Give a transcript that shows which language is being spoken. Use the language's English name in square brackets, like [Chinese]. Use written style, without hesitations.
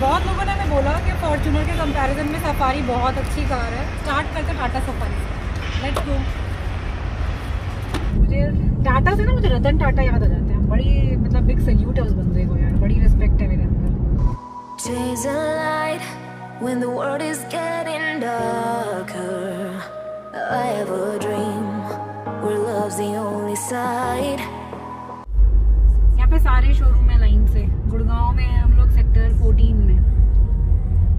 [Hindi] बहुत लोगों ने हमें बोला कि फॉर्चुनर के कंपैरिजन में सफारी बहुत अच्छी कार है। स्टार्ट करते टाटा सफारी से, [English] Let's go. [Hindi] मुझे टाटा से ना, मुझे रतन टाटा याद आ जाते हैं। बड़ी मतलब बिग सल्यूट है उस बंदे को यार, बड़ी रिस्पेक्ट है मेरे अंदर। [English] When the world is getting darker, I have a dream where love's the only side. [Hindi] यहाँ पे सारे शोरूम में लाइन से, गुड़गांव में हम लोग सेक्टर 14 में।